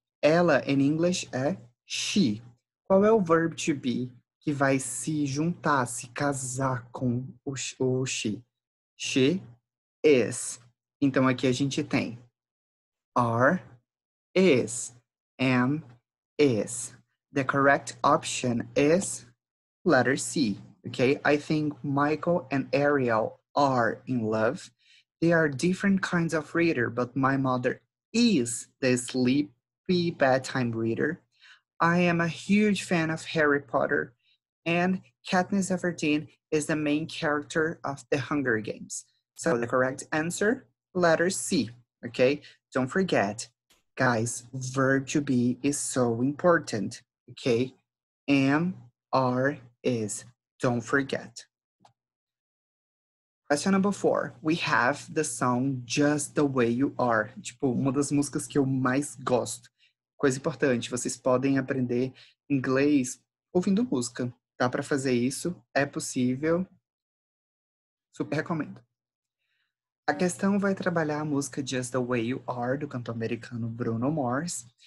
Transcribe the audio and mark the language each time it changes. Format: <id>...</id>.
<pt>Ela,</pt> <en>in English,</en> <pt>é she. Qual é o verb to be que vai se juntar, se casar com o she?</pt> <en>She is.</en> <pt>Então, aqui a gente tem are, is, am, is.</pt> <en>The correct option is letter C, okay? I think Michael and Ariel are in love. They are different kinds of reader, but my mother is the sleepy bedtime reader. I am a huge fan of Harry Potter. And Katniss Everdeen is the main character of the Hunger Games. So the correct answer, letter C, okay? Don't forget, guys, verb to be is so important. Okay, am, are, is. Don't forget. Question number four. We have the song Just the Way You Are.</en> <pt>Tipo, uma das músicas que eu mais gosto. Coisa importante, vocês podem aprender inglês ouvindo música. Dá pra fazer isso? É possível? Super recomendo. A questão vai trabalhar a música Just the Way You Are, do cantor americano Bruno Mars.</pt>